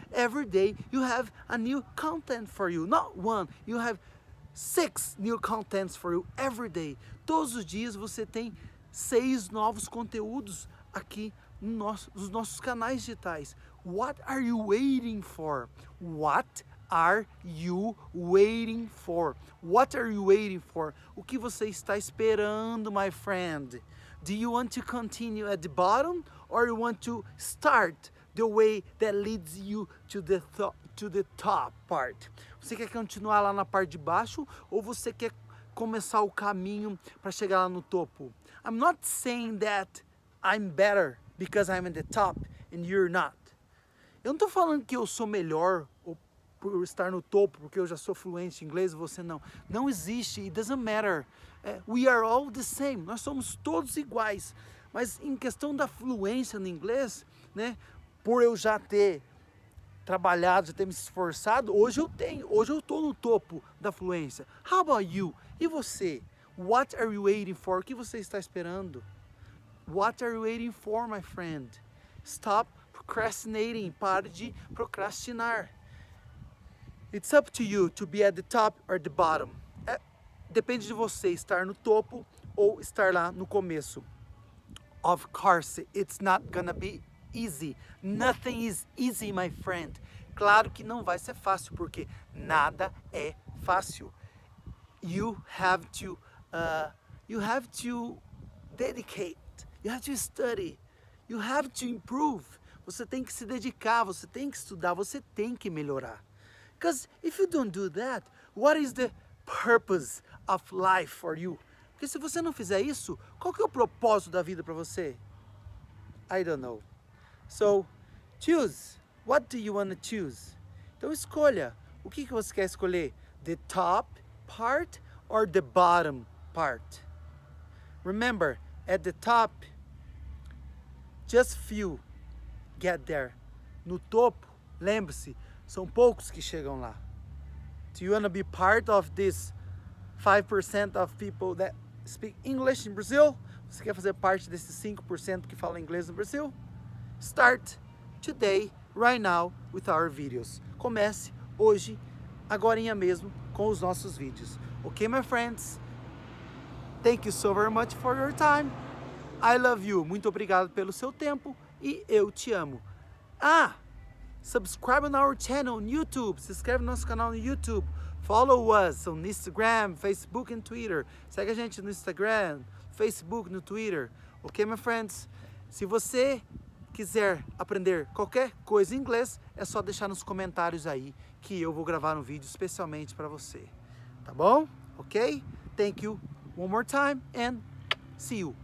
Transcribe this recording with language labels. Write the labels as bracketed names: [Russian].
[English] Every day you have a new content for you. Not one, you have 6 new contents for you every day. [Portuguese] Todos os dias você tem 6 novos conteúdos aqui nos nossos canais digitais. [English] What are you waiting for? What are you waiting for? What are you waiting for? [Portuguese] O que você está esperando, [English] my friend? Do you want to continue at the bottom or you want to start the way that leads you to the top part? [Portuguese] Você quer continuar lá na parte de baixo ou você quer começar o caminho para chegar lá no topo? [English] I'm not saying that I'm better because I'm at the top and you're not. [Portuguese] Eu não estou falando que eu sou melhor por estar no topo, porque eu já sou fluente em inglês e você não. Não existe. [English] It doesn't matter. We are all the same. [Portuguese] Nós somos todos iguais. Mas em questão da fluência no inglês, né, por eu já ter trabalhado, já ter me esforçado, hoje eu tenho. Hoje eu estou no topo da fluência. [English] How about you? [Portuguese] E você? [English] What are you waiting for? [Portuguese] O que você está esperando? [English] What are you waiting for, my friend? Stop procrastinating, [Portuguese] pare de procrastinar. [English] It's up to you to be at the top or the bottom. [Portuguese] Depende de você estar no topo ou estar lá no começo. [English] Of course, it's not gonna be easy. Nothing is easy, my friend. [Portuguese] Claro que não vai ser fácil, porque nada é fácil. [English] You have to dedicate. You have to study. You have to improve. [Portuguese] Você tem que se dedicar, você tem que estudar, você tem que melhorar. [English] Because if you don't do that, what is the purpose of life for you? [Portuguese] Porque se você não fizer isso, qual que é o propósito da vida para você? [English] I don't know. So, choose. What do you want to choose? [Portuguese] Então, escolha. O que você quer escolher? [English] The top part or the bottom part? Remember, at the top, just few. Get there. [Portuguese] No topo, lembre-se, são poucos que chegam lá. [English] Do you want to be part of this 5% of people that speak English in Brazil? [Portuguese] Você quer fazer parte desses 5% que falam inglês no Brasil? [English] Start today, right now with our videos. [Portuguese] Comece hoje, agorinha mesmo, com os nossos vídeos. [English] Ok, my friends? Thank you so very much for your time. I love you. [Portuguese] Muito obrigado pelo seu tempo e eu te amo. [English] Ah! Subscribe on our channel on YouTube. [Portuguese] Se inscreve no nosso canal no YouTube. [English] Follow us on Instagram, Facebook and Twitter. [Portuguese] Segue a gente no Instagram, Facebook, no Twitter. [English] Ok, my friends? [Portuguese] Se você quiser aprender qualquer coisa em inglês, é só deixar nos comentários aí que eu vou gravar um vídeo especialmente para você. Tá bom? Ok? [English] Thank you one more time and see you.